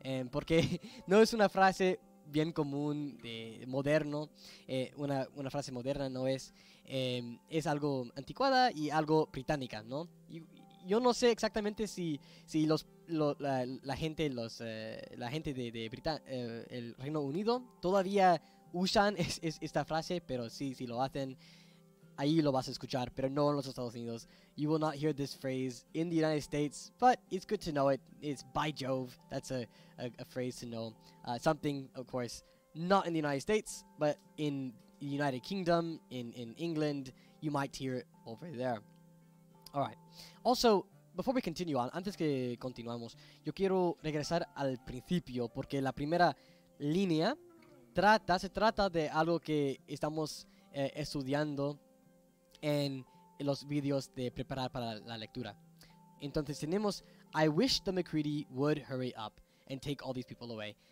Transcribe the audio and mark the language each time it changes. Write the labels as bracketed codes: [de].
[es] Porque no es una frase bien común, de moderno, una frase moderna no es, es algo anticuada y algo británica, ¿no? Yo no sé exactamente si la gente del Reino Unido todavía usan esta frase, pero sí, si lo hacen, ahí lo vas a escuchar, pero no en los Estados Unidos. [en] You will not hear this phrase in the United States, but it's good to know it. It's by Jove. That's a phrase to know. Something, of course, not in the United States, but in the United Kingdom, in England, you might hear it over there. All right. Also, before we continue on, [es] antes que continuamos, yo quiero regresar al principio, porque la primera línea se trata de algo que estamos estudiando en los videos de preparar para la lectura. Entonces tenemos, [en] I wish the MacReady would hurry up and take all these people away.